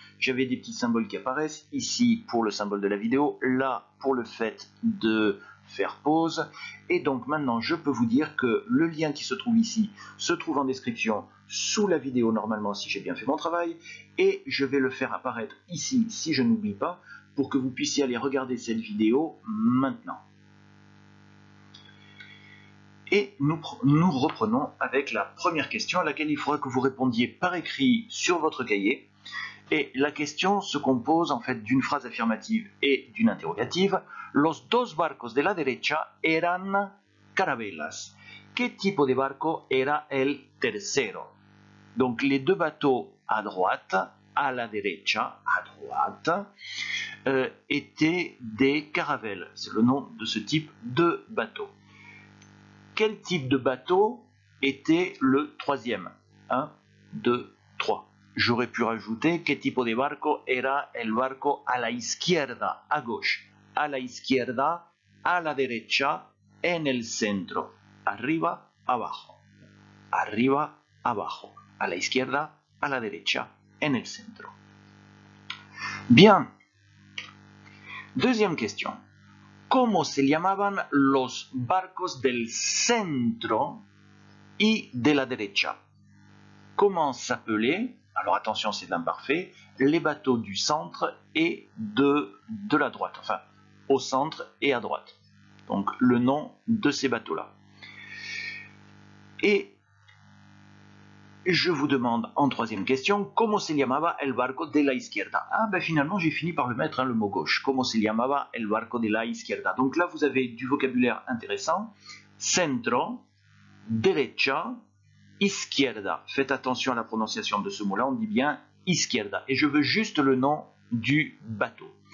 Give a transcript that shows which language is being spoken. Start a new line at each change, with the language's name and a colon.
French: J'avais des petits symboles qui apparaissent, ici pour le symbole de la vidéo, là pour le fait de faire pause, et donc maintenant je peux vous dire que le lien qui se trouve ici se trouve en description sous la vidéo normalement si j'ai bien fait mon travail, et je vais le faire apparaître ici si je n'oublie pas, pour que vous puissiez aller regarder cette vidéo maintenant. Et nous reprenons avec la première question à laquelle il faudra que vous répondiez par écrit sur votre cahier. Et la question se compose en fait d'une phrase affirmative et d'une interrogative.
Spanish: Los dos barcos de la derecha eran carabelas. ¿Qué tipo de barco era el tercero?
French: Donc les deux bateaux à droite,
Spanish: à la derecha,
French: à droite, étaient des caravelles. C'est le nom de ce type de bateau. Quel type de bateau était le troisième? 1, 2, 3. J'aurais pu rajouter « Quel type de
Spanish: barco era el barco a la izquierda
French: ?» À gauche.
Spanish: « A la izquierda, a la derecha, en el centro. » Arriba, abajo. Arriba, abajo. « A la izquierda, a la derecha, en el centro. » Bien. Deuxième question. ¿Cómo se llamaban los barcos del centro y de la derecha?
French: ¿Comment s'appelaient, alors attention c'est l'imparfait, les bateaux du centre et de la droite, enfin au centre et à droite? Donc le nom de ces bateaux-là. Et je vous demande en troisième question,
Spanish: ¿cómo se llamaba el barco de la izquierda?
French: Ah ben finalement j'ai fini par le mettre, hein, le mot gauche.
Spanish: ¿Cómo se llamaba el barco de la izquierda?
French: Donc là vous avez du vocabulaire intéressant.
Spanish: Centro, derecha, izquierda.
French: Faites attention à la prononciation de ce mot-là, on dit bien izquierda. Et je veux juste le nom du bateau.